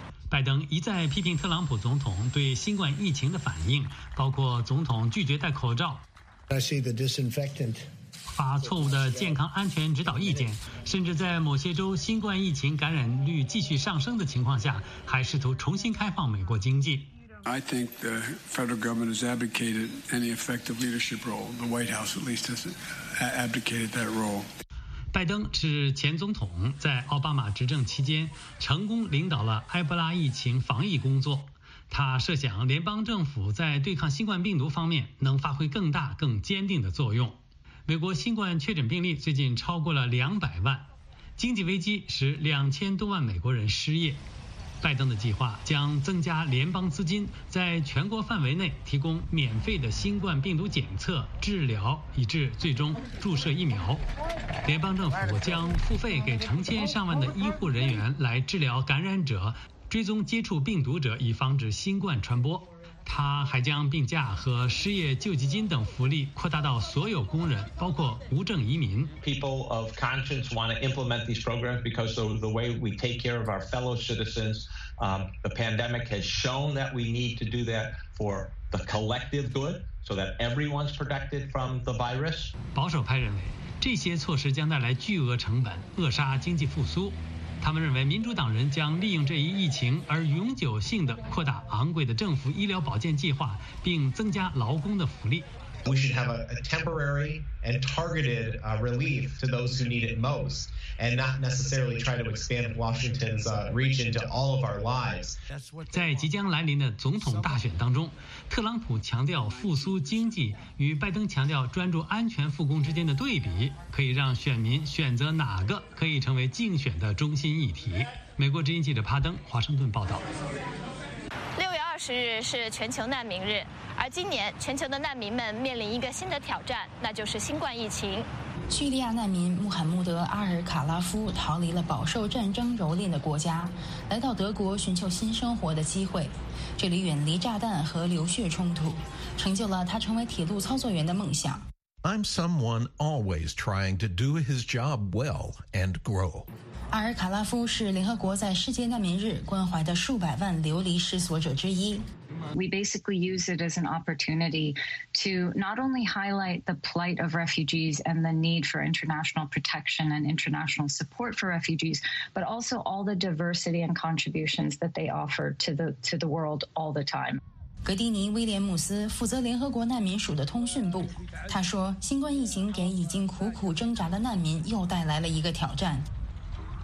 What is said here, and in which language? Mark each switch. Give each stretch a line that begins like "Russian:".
Chinese: 拜登一再批评特朗普总统对新冠疫情的反应，包括总统拒绝戴口罩、
English: I see the disinfectant.
Chinese: 发错误的健康安全指导意见，甚至在某些州新冠疫情感染率继续上升的情况下，还试图重新开放美国经济。
English: I think the federal government has abdicated any effective leadership role. The White House at least has abdicated that role.
Chinese: 拜登是前总统在奥巴马执政期间成功领导了埃博拉疫情防疫工作，他设想联邦政府在对抗新冠病毒方面能发挥更大更坚定的作用。美国新冠确诊病例最近超过了200万，经济危机使2000多万美国人失业。拜登的计划将增加联邦资金，在全国范围内提供免费的新冠病毒检测、治疗，以至最终注射疫苗。联邦政府将付费给成千上万的医护人员来治疗感染者、追踪接触病毒者，以防止新冠传播。他还将病假和失业救济金等福利扩大到所有工人，包括无证移民。
English: People of conscience want to implement these programs because of the way we take care of our fellow citizens. The pandemic has shown that we need to do that for the collective good, so that everyone's protected from the virus.
Chinese: 保守派认为，这些措施将带来巨额成本，扼杀经济复苏。他们认为民主党人将利用这一疫情而永久性地扩大昂贵的政府医疗保健计划，并增加劳工的福利。
English: We should have a temporary and targeted relief to those who need it most, and not necessarily try to expand Washington's reach into all of our lives.
Chinese: 在即将来临的总统大选当中，特朗普强调复苏经济与拜登强调专注安全复工之间的对比，可以让选民选择哪个可以成为竞选的中心议题。美国之音记者帕登，华盛顿报道。 6月20日是全球难民日，而今年全球的难民们面临一个新的挑战，那就是新冠疫情。叙利亚难民穆罕默德·阿尔卡拉夫逃离了饱受战争蹂躏的国家，来到德国寻求新生活的机会。这里远离炸弹和流血冲突，成就了他成为铁路操作员的梦想。
English: I'm someone always trying to do his job well and grow.
Chinese: 阿尔卡拉夫是联合国在世界难民日关怀的数百万流离失所者之一。
English: We basically use it as an opportunity to not only highlight the plight of refugees and the need for international protection and international support for refugees, but also all the diversity and contributions that they offer to the world all the time.
Chinese: 格迪尼·威廉姆斯负责联合国难民署的通讯部，他说：“新冠疫情给已经苦苦挣扎的难民又带来了一个挑战。”